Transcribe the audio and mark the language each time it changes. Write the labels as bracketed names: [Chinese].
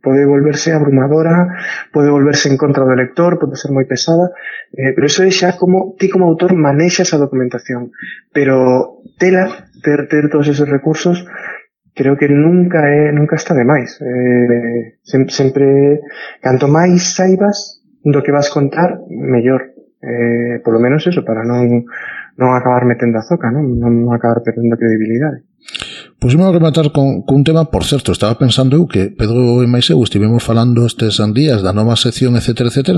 [Galician] Pode volverse abrumadora, pode volverse en contra do lector, pode ser moi pesada, pero eso é xa como ti como autor manexas a documentación. Pero tela, ter todos esos recursos, creo que nunca está de máis. Sempre, canto máis saibas do que vas contar, mellor. [Spanish] Por lo menos eso, [Galician] para non acabar metendo a zoca, ¿no? non acabar perdendo credibilidade. [Spanish] Pues me voy a rematar con un tema, por cierto, estaba pensando que [Galician] Pedro e Maiseu estivemos falando estes días da nova sección, etcétera, etcétera.